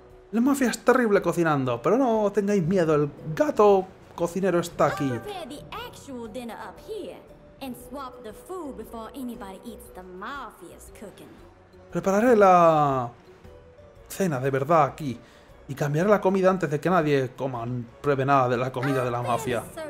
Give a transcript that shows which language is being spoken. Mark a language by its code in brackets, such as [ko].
[es] La mafia es terrible cocinando, pero no tengáis miedo, el gato cocinero está aquí. [en] I'll prepare the actual dinner up here and swap the food before anybody eats the mafia's cooking. [es] Prepararé la cena de verdad aquí y cambiaré la comida antes de que nadie coma pruebe nada de la comida de la mafia.